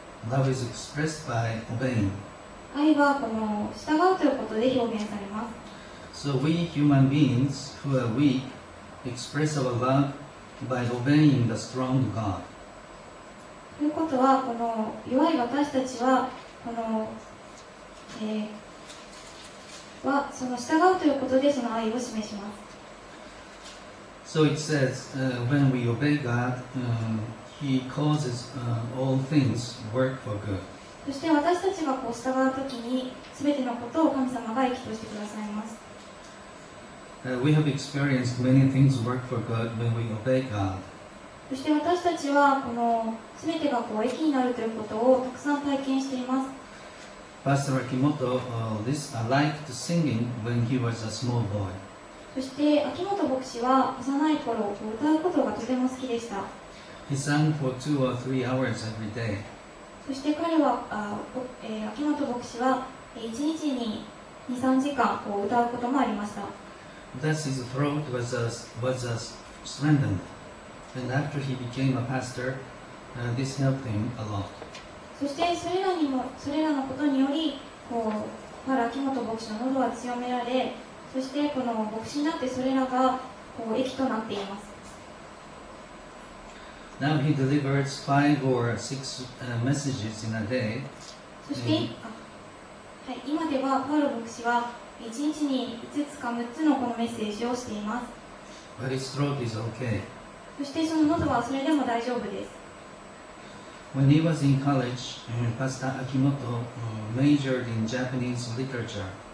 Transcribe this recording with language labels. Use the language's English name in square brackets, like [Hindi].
[English] Love is expressed by obeying. [Japanese] 愛はこの従うということで表現されます。 [English] So we human beings who are weak express our love by obeying the strong God. [Japanese] ということはこの弱い私たちはこの、はその従うということでその愛を示します。 [English] So it says, when we obey God, he causes, all things work for good. [Japanese] そして私たちがこう従うときに全てのことを神様が益としてくださいます。 [English] We have experienced many things work for good when we obey God. [Japanese] そして私たちはこの全てがこう益になるということをたくさん体験しています。 [English] Pastor Akimoto, this, liked singing when he was a small boy. [Japanese] そして秋元牧師は幼い頃歌うことがとても好きでした。 [English] He sang for two or three hours every day. [Japanese] そして彼は、秋元牧師は1日に2、3時間こう歌うこともありました。 [English] Thus his throat was strengthened. And after he became a pastor, this helped him a lot. [Japanese] そしてそれらにも、それらのことにより、こう、パラ・キモト牧師の喉は強められ、そしてこの牧師になってそれらが、こう、益となっています。 [English] Now he delivers five or six messages in a day. [Japanese] そして、はい、今ではパウロ牧師は1日に5つか6つのこのメッセージをしています。 [English] But his throat is okay. [Japanese] そしてその喉はそれでも大丈夫です。 [English] When he was in college, Pastor Akimoto majored in Japanese literature.